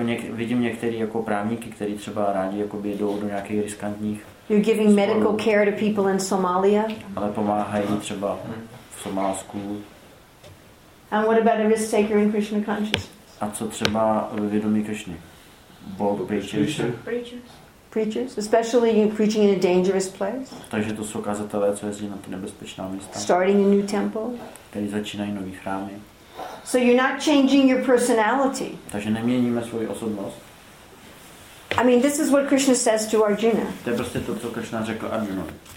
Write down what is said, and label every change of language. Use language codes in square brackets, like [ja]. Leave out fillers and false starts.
[cs] Vidím některé jako právníky, kteří třeba rádi jako by jdou do nějakých riskantních. [en] You're giving medical care to people in Somalia. [cs] Ale pomáhají třeba v Somálsku. [en] And what about a risk taker in Krishna consciousness? [cs] A co třeba ve vědomí Krishny? [en] Bold preachers. Preachers, especially you preaching in a dangerous place. [cs] Takže to jsou kazatelé, co jezdí na ty nebezpečná místa. [en] Starting a new temple. [cs] Kteří začínají nový chrámy. [en] So you're not changing your personality. [cs] Takže neměníme svoji osobnost. [en] I mean, this is what Krishna says to Arjuna. [cs] To je prostě to, co Krishna řekl Arjunovi.